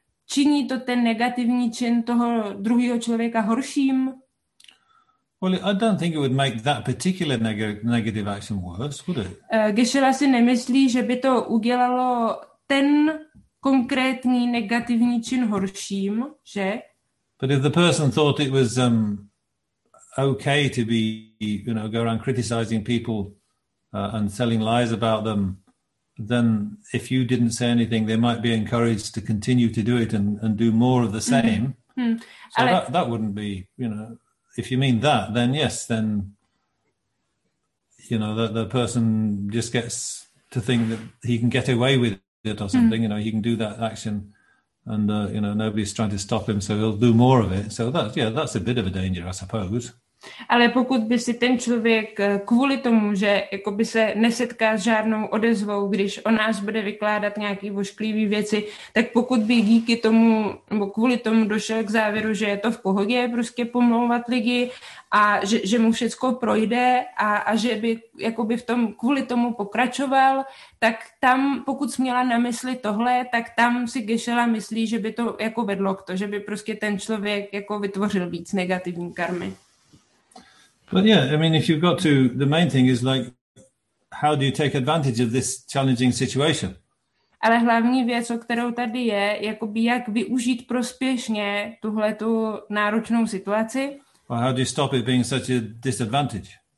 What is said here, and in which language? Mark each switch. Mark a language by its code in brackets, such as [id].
[cs] Činí to ten negativní čin toho druhého člověka horším? [en] Well, I don't think it would make that particular negative action worse, would it? [cs] Geshe-la si nemyslí, že by to udělalo ten konkrétní negativní čin horším, že? [en] But if the person thought it was okay to be, you know, go around criticizing people and selling lies about them, then if you didn't say anything, they might be encouraged to continue to do it and do more of the same. Mm-hmm. So that wouldn't be, you know, if you mean that, then yes, then, you know, the person just gets to think that he can get away with it or something, you know, he can do that action and, you know, nobody's trying to stop him, so he'll do more of it. So that's a bit of a danger, I suppose. [cs] Ale pokud by si ten člověk kvůli tomu, že jakoby se nesetká s žádnou odezvou, když o nás bude vykládat nějaké ošklivé věci, tak pokud by díky tomu nebo kvůli tomu došel k závěru, že je to v pohodě prostě pomlouvat lidi a že mu všecko projde a že by jakoby v tom kvůli tomu pokračoval, tak tam, pokud jsi měla na mysli tohle, tak tam si Geshe-la myslí, že by to jako vedlo k to, že by prostě ten člověk jako vytvořil víc negativní karmy. [en] But yeah, I mean, if you've got to, the main thing is like, how do you take advantage of this challenging situation? [cs] Ale hlavní věc, o kterou tady je, jakoby jak využít prospěšně tuhletu náročnou situaci. [en] Well, how do you stop it being such a disadvantage?